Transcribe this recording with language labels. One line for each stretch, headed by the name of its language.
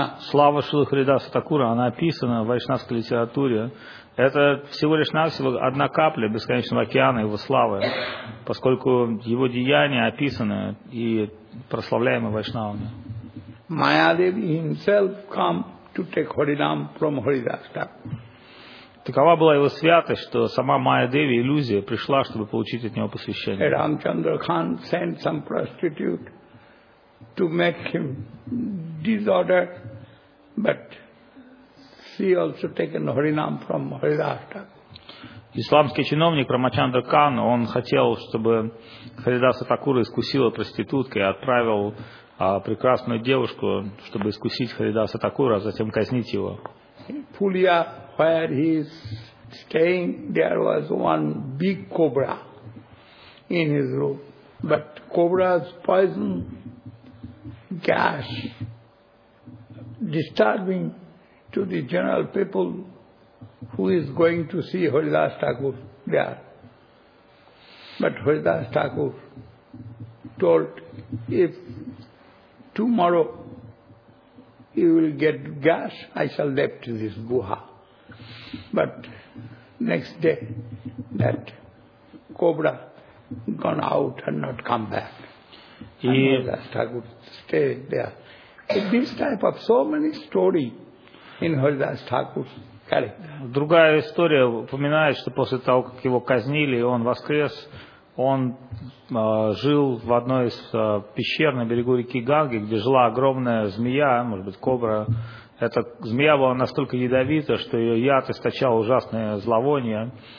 Russian: Слава Шрилы Харидаса Такура, она описана в вайшнавской литературе. Это всего лишь навсего одна капля бесконечного океана его славы, поскольку его деяния описаны и прославляемы вайшнавами.
English: Майадеви himself come to take Haridam from Haridas Thakur.
Russian: Такова была его святость, что сама Майадеви, иллюзия, пришла, чтобы получить от него посвящение.
English: Рамчандра Хан sent some prostitute to make him disorder, but she also taken Haridam from Haridas Thakur.
Russian: Исламский чиновник Рамачандра Кан, он хотел, чтобы Харидаса Такура искусила проститутка и отправил прекрасную девушку, чтобы искусить Харидаса Такура, а затем казнить его.
English: Пулья, where he is staying, there was one big cobra in his room. But cobra's poison gas disturbing to the general people who is going to see Haridas Thakur there. But Haridas Thakur told, if tomorrow you will get gas, I shall leave to this guha. But next day that cobra gone out and not come back. Haridas Thakur stay there. This type of so many story in Haridas Thakur's character.
Russian: Другая история упоминает, что после того, как его казнили, он воскрес, он жил в одной из пещер на берегу реки Ганги, где жила огромная змея, может быть, кобра. Эта змея была настолько ядовита, что ее яд источал ужасное зловоние.